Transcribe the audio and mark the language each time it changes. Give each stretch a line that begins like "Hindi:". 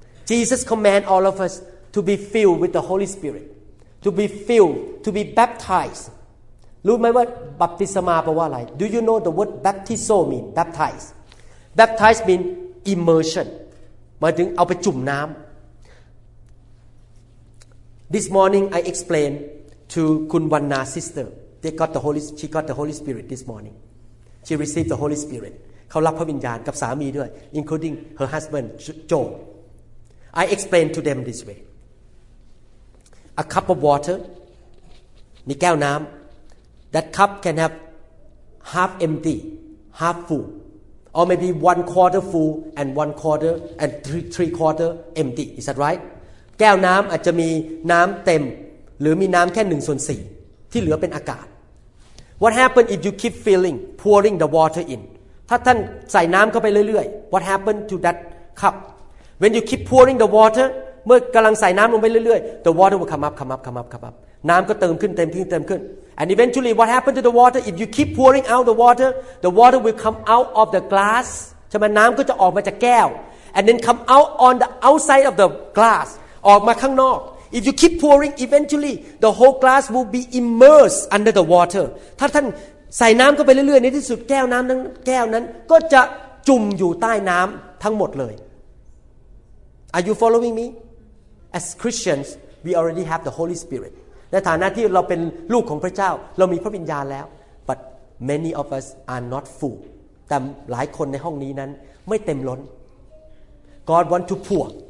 English: Jesus command all of us to be filled with the Holy Spirit to be filled to be baptized
Thai: รู้ไหมว่าบัพติศมาแปลว่าอะไร
English: Do you know the word baptizo mean baptize baptize mean immersion
Thai: หมายถึงเอาไปจุ่มน้ำ
English: This morning I explainTo Kunwanna's sister, they got the Holy. She got the Holy Spirit this morning. She received the Holy Spirit.
Thai: เขารับพระวิญญาณกับสามีด้วย
English: including her husband, Joe. I explained to them this way. A cup of water.
Thai: นี่แก้วน้ำ
English: That cup can have half empty, half full, or maybe one quarter full and one quarter and three quarter empty. Is that right?
Thai: แก้วน้ำอาจจะมีน้ำเต็มหรือมีน้ำแค่หนึ่งส่วนสี่ที่เหลือเป็นอากาศ
English: What happens if you keep filling, pouring the water in?
Thai: ถ้าท่านใส่น้ำเข้าไปเรื่อยๆ
English: What happens to that cup? When you keep pouring the water,
Thai: เมื่อกำลังใส่น้ำลงไปเรื่อยๆ
English: The water will come up.
Thai: น้ำก็เติมขึ้น
English: And eventually, what happens to the water? If you keep pouring out the water will come out of the glass.
Thai: ใช่ไหมน้ำก็จะออกมาจากแก้ว
English: And then come out on the outside of the glass.
Thai: ออกมาข้างนอก
English: If you keep pouring, eventually the whole glass will be immersed under the water.
Thai: ถ้าท่านใส่น้ำเข้าไปเรื่อยๆในที่สุดแก้วน้ำนั้นแก้วนั้นก็จะจุ่มอยู่ใต้น้ำทั้งหมดเลย
English: Are you following me? As Christians, we already have the Holy Spirit.
Thai: ในฐานะที่เราเป็นลูกของพระเจ้าเรามีพระวิญญาณแล้ว
English: But many of us are not full.
Thai: แต่หลายคนในห้องนี้นั้นไม่เต็มล้น
English: God want to pour.